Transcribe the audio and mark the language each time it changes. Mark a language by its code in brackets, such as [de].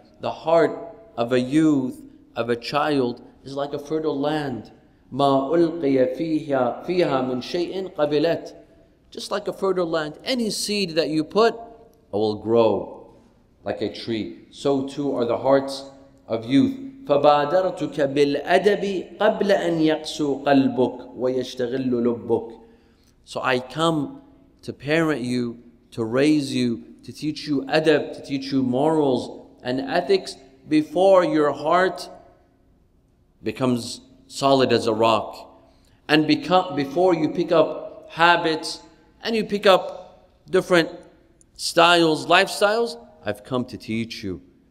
[en] The heart of a youth, of a child, is like a fertile land. [ar] مَا أُلْقِيَ فِيهَا مِنْ شَيْءٍ قَبِلَتْ. [en] Just like a fertile land, any seed that you put, it will grow like a tree. So too are the hearts of youth. [ar] فَبَادَرْتُكَ بِالْأَدَبِ قَبْلَ أَنْ يَقْسُوا قَلْبُكَ وَيَشْتَغِلُّ لُبُّكَ. So I come to parent you, [en] to raise you, to teach you adab, to teach you morals and ethics before your heart becomes solid as a rock. And before you pick up habits and you pick up different styles, lifestyles, I've come to teach you.